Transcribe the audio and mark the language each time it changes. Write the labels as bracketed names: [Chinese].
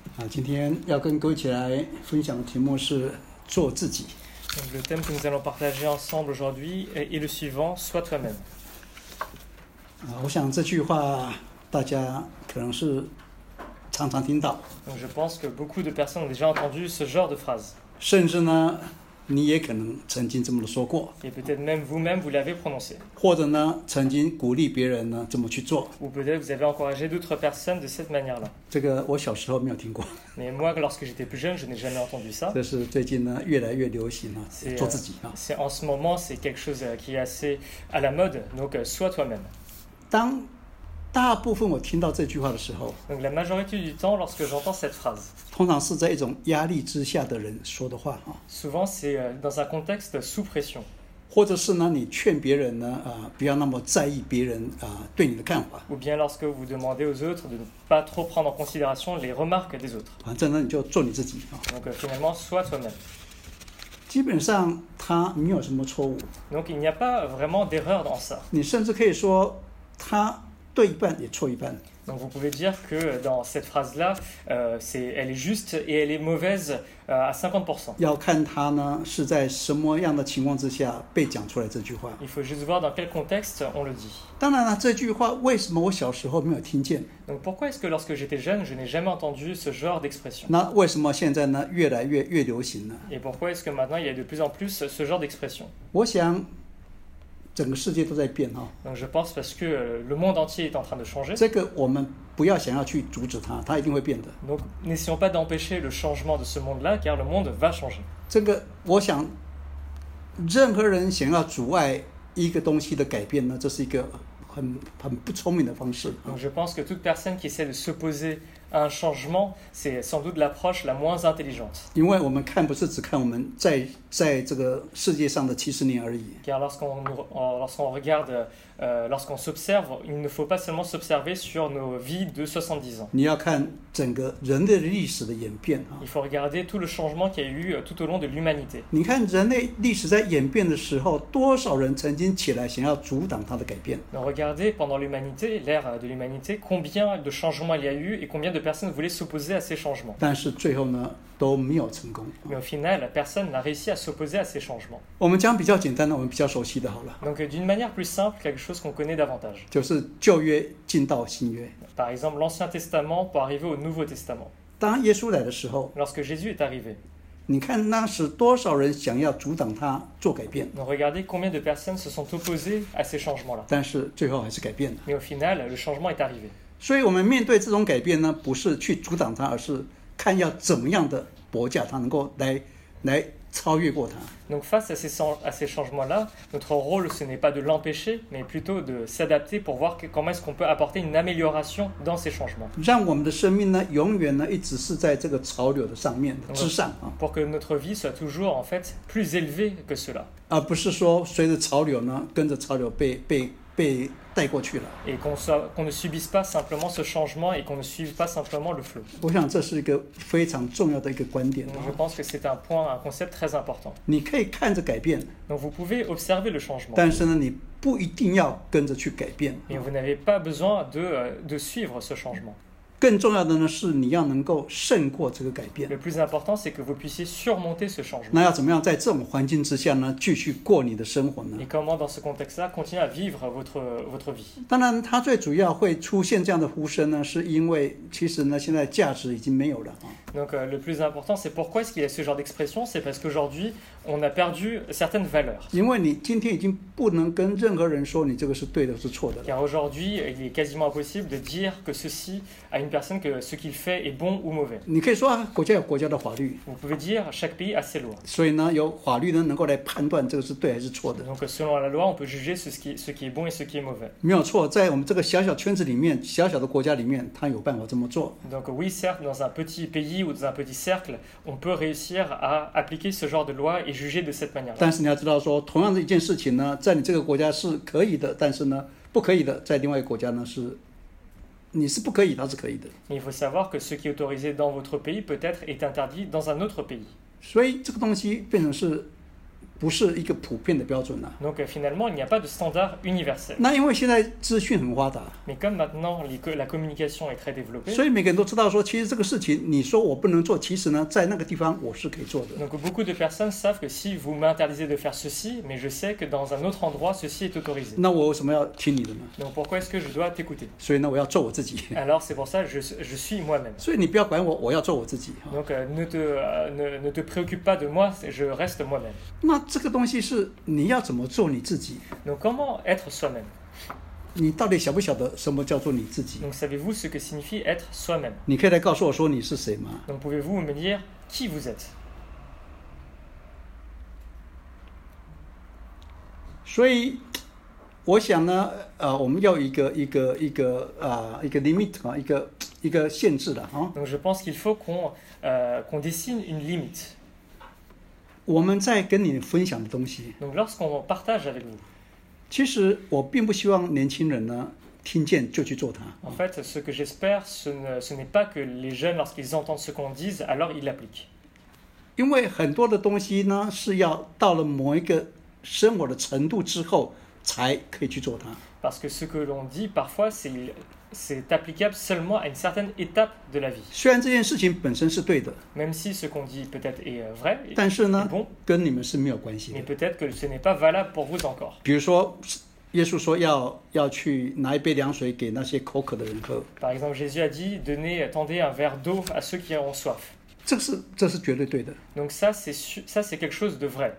[Chinese] 今天要跟各位一起来分享的题目是做自己。 [French] Donc, le thème que nous allons partager ensemble aujourd'hui est le suivant, sois toi-même. [Chinese] 我想这句话大家可能是常常听到。 [French] Donc, je pense que beaucoup de personnes ont déjà entendu ce genre de phrase. [Chinese] 甚至呢，你也可能曾经这么说过。 [French] Et peut-être même vous-même vous l'avez prononcé. [Chinese] 或者呢，曾经鼓励别人呢这么去做。 [French] Ou peut-être vous avez encouragé d'autres personnes de cette manière-là. [Chinese] 这个我小时候没有听过。 [French] Mais moi, lorsque j'étais plus jeune, je n'ai jamais entendu ça. [Chinese] 这是最近呢越来越流行了，做自己啊。 [French] C'est en ce moment, c'est quelque chose qui est assez à la mode. Donc, sois toi-même. [Chinese] 当大部分我听到这句话的时候 [French] Donc, la majorité du temps, lorsque j'entends cette phrase, [Chinese] 通常是在一种压力之下的人说的话 [French] souvent c'est dans un contexte sous pression, [Chinese] 或者是呢你劝别人呢不要那么在意别人对你的看法 [French] ou bien lorsque vous demandez aux autres de ne pas trop prendre en considération les remarques des autres, [Chinese] 反正呢你就做你自己 [French] Donc, finalement, sois toi-même, [Chinese] 基本上他没有什么错误 [French] Donc, il n'y a pas vraiment d'erreur dans ça, [Chinese] 你甚至可以说他对一半也错一半。 [French] Donc vous pouvez dire que dans cette phrase-là, elle est juste et elle est mauvaise à 50%. [Chinese] 要看他呢是在什么样的情况之下被讲出来这句话。 [French] Il faut juste voir dans quel contexte on le dit. [Chinese] 当然了，这句话为什么我小时候没有听见 [French] ？Donc pourquoi est-ce que lorsque j'étais jeune, je n'ai jamais entendu ce genre d'expression？ [Chinese] 那为什么现在呢越来越流行呢 [French] ？Et pourquoi est-ce que maintenant il y a de plus en plus ce genre d'expression？ [Chinese] 我想。整个世界都在变哈。 [French] Donc je pense parce que le monde entier est en train de changer. [Chinese] 这个我们不要想要去阻止它，它一定会变的。 [French] Donc n'essayons pas d'empêcher le changement de ce monde-là, car le monde va changer. [Chinese] 这个我想，任何人想要阻碍一个东西的改变呢，这是一个很不聪明的方式。 [French] Donc je pense que toute personne qui essaie de s'opposer à un changement, c'est sans doute l'approche la moins intelligente. [Chinese] 因为我们看不是只看我们在这个世界上的七十年而已。 [French] Car lorsqu'on s'observe, il ne faut pas seulement s'observer sur nos vies de 70 ans. [Chinese] 你要看整个人类历史的演变。 [French] Il faut regarder tout le changement qu'il y a eu tout au long de l'humanité. [Chinese] 你看人类历史在演变的时候，多少人曾经起来想要阻挡它的改变。 [French] Donc, regardez pendant l'humanité, l'ère de l'humanité, combien de changements il y a eu et combien de personnes voulaient s'opposer à ces changements. [Chinese] 但是最后呢，都没有成功。 [French] Mais au final, personne n'a réussi à s'opposer à ces changements. [Chinese] 我们讲比较简单的，我们比较熟悉的好了。 [French] Donc, d'une manière plus simple, quelque chose qu'on connaît davantage. [Chinese] 就是旧约进到新约。 [French] Par exemple, l'Ancien Testament pour arriver au Nouveau Testament. [Chinese] 当耶稣来的时候 [French] ，lorsque Jésus est arrivé, [Chinese] 你看那时多少人想要阻挡他做改变。 [French] Donc, regardez combien de personnes se sont opposées à ces changements-là. [Chinese] 但是最后还是改变了。 [French] Mais au final, le changement est arrivé. [Chinese] 所以我们面对这种改变呢，不是去阻挡它，而是看要怎么样的搏架，它能够来超越过它。 [French] Donc face à ces changements-là, notre rôle ce n'est pas de l'empêcher, mais plutôt de s'adapter pour voir comment est-ce qu'on peut apporter une amélioration dans ces changements. [Chinese] 让我们的生命呢，永远呢一直是在这个潮流的上面之上啊。 [French] Pour que notre vie soit toujours en fait plus élevée que cela. [Chinese] 而不是说随着潮流呢，跟着潮流被带过去了。 [French] Et qu'on ne subisse pas simplement ce changement et qu'on ne suive pas simplement le flow. [Chinese] 我想这是一个非常重要的一个观点。 [French] Donc, je pense que c'est un concept très important. [Chinese] 你可以看着改变。 [French] Donc vous pouvez observer le changement. [Chinese] 但是呢，你不一定要跟着去改变。 [French] Et vous n'avez pas besoin de suivre ce changement. [Chinese] 更重要的呢，是你要能够胜过这个改变。 [French] Le plus important, c'est que vous puissiez surmonter ce changement. [Chinese] 那要怎么样在这种环境之下呢，继续过你的生活呢 [French] ？Et comment dans ce contexte-là continuer à vivre votre vie？ [Chinese] 当然，它最主要会出现这样的呼声呢，是因为其实呢，现在价值已经没有了。 [French] Donc le plus important, c'est pourquoi est-ce qu'il y a ce genre d'expression ? C'est parce qu'aujourd'hui, on a perdu certaines valeurs. [Chinese] 因为你今天已经不能跟任何人说你这个是对的，是错的。 [French] Car aujourd'hui, il est quasiment impossible de dire que ceci à une personne que ce qu'il fait est bon ou mauvais. [Chinese] 你可以说啊，国家有国家的法律。 [French] Vous pouvez dire chaque pays a ses lois. [Chinese] 所以呢，有法律呢能够来判断这个是对还是错的。 [French] Donc selon la loi, on peut juger ce qui est bon et ce qui est mauvais. [Chinese] 没有错，在我们这个小小圈子里面，小小的国家里面，他有办法这么做。 [French] Donc oui, certes, dans un petit pays. ou dans un petit cercle, on peut réussir à appliquer ce genre de loi et juger de cette manière-là. [Chinese] 但是你要知道说，同样的一件事情呢，在你这个国家是可以的，但是呢，不可以的，在另外一个国家呢是，你是不可以，它是可以的。 [French] Il faut savoir que ce qui est autorisé dans votre pays peut-être est interdit dans un autre pays. [Chinese] 所以这个东西变成是不是一个普遍的标准了。 [French] Donc finalement, il n'y a pas de standard universel. [Chinese] 那因为现在资讯很发达。 [French] Mais comme maintenant, la communication est très développée. [Chinese] 所以每个人都知道说，其实这个事情，你说我不能做，其实呢，在那个地方我是可以做的。 [French] Donc beaucoup de personnes savent que si vous m'interdisez de faire ceci, mais je sais que dans un autre endroit, ceci est autorisé. [Chinese] 那我为什么要听你的呢 [French] ？Donc pourquoi est-ce que je dois t'écouter？ [Chinese] 所以呢，我要做我自己。 [French] Alors c'est pour ça je suis moi-même. [Chinese] 所以你不要管我，我要做我自己。 [French] Donc ne te préoccupe pas de moi, je reste moi-même. [Chinese] 那这个东西是你要怎么做你自己 [French] Donc, comment être soi-même? [Chinese] 你到底晓不晓得什么叫做你自己 [French] Donc, savez-vous ce que signifie être soi-même? [Chinese] 你可以来告诉我说你是谁吗 [French] Donc, pouvez-vous me dire qui vous êtes? [Chinese] 所以我想呢、我们要一个 limit 一个限制的、 [French] Donc, je pense qu'il faut qu'on dessine une limite. [Chinese] 我们在跟你分享的东西 [French] Donc, lorsqu'on partage avec vous, [Chinese] 其实我并不希望年轻人呢听见就去做它 [French] En fait, ce que j'espère, ce n'est pas que les jeunes, lorsqu'ils entendent ce qu'on dit, alors ils l'appliquent. [Chinese] 因为很多的东西呢是要到了某一个生活的程度之后才可以去做它 [French] Parce que ce que l'on dit, parfois, c'est applicable seulement à une certaine étape de la vie. [Chinese] 虽然这件事情本身是对的 [French] même si ce qu'on dit peut-être est vrai, [Chinese] 但是呢 [French] est bon, [Chinese] 跟你们是没有关系的 [French] mais peut-être que ce n'est pas valable pour vous encore. [Chinese] 比如说耶稣说 要去拿一杯凉水给那些口渴的人喝 [French] Par exemple, Jésus a dit, tendez un verre d'eau à ceux qui ont soif. [Chinese] 这是绝对对的 [French] Donc ça, c'est quelque chose de vrai.